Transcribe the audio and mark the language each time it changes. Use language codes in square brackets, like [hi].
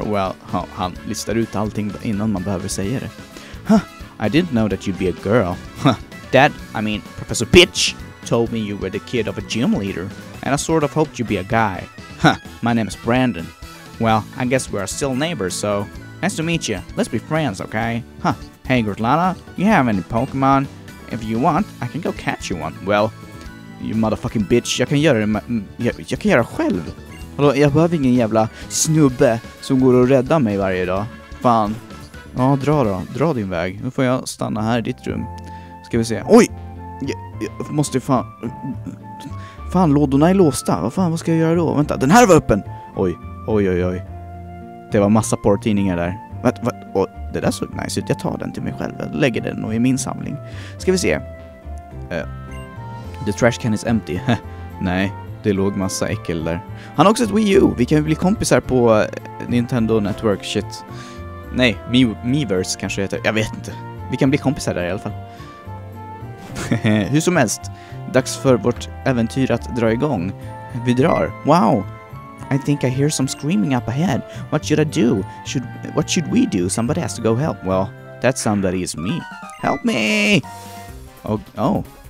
[sv] Well, han listar ut allting innan man behöver säga det. [en] Huh, I didn't know that you'd be a girl. Dad, I mean, Professor Bitch, told me you were the kid of a gym leader. And I sort of hoped you'd be a guy. My name is Brandon. Well, I guess we are still neighbors, so... Nice to meet you. Let's be friends, okay? Huh. Hey, Grutlana, you have any Pokemon? If you want, I can go catch you one. Well, you motherfucking bitch. [sv] Jag kan göra det själv. Alltså, jag behöver ingen jävla snubbe som går och räddar mig varje dag. Fan. Ja, dra då. Dra din väg. Nu får jag stanna här i ditt rum. Ska vi se. Oj! Jag måste fan... Fan, lådorna är låsta. Vad ska jag göra då? Vänta, den här var öppen. Oj. Det var massa porrtidningar där. Och det där såg nice ut. Jag tar den till mig själv. Jag lägger den nog i min samling. Ska vi se. [en] The trash can is empty. [sv] Nej, det låg massa äckel där. Han har också ett Wii U. Vi kan ju bli kompisar på Nintendo Network. Shit. Nej, Miiverse kanske heter. Jag vet inte. Vi kan bli kompisar där i alla fall. Hur som helst. Dags för vårt äventyr att dra igång. Vi drar. Wow! [en] I think I hear some screaming up ahead. What should I do? What should we do? Somebody has to go help. Well, that somebody is me. Help me! Oh.